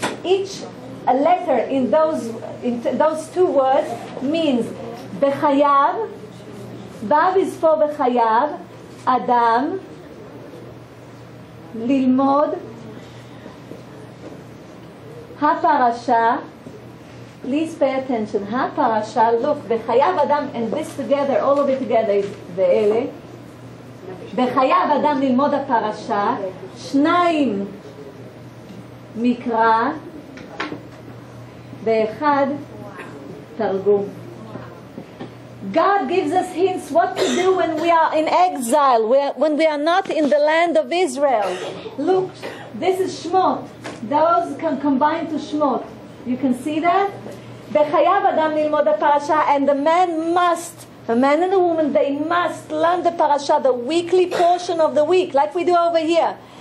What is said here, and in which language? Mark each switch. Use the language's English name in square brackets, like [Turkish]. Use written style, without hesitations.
[English] Each letter in those two words means Bechayav, Vav is for Bechayav, Adam, Lilmod, HaParasha. Please pay attention. HaParasha, look, Bechayav, Adam, and this together, all of it together is Be'ele. [Hebrew] בחייו אדם ללמוד הפרשה, שניים מקרא, ואחד תרגום. [English] God gives us hints what to do when we are in exile, when we are not in the land of Israel. Look, this is Shemot. Those can combine to Shemot. You can see that? [Hebrew] בחייו אדם ללמוד הפרשה, [English] and the man must, a man and a woman, they must learn the parasha, the weekly portion of the week, like we do over here.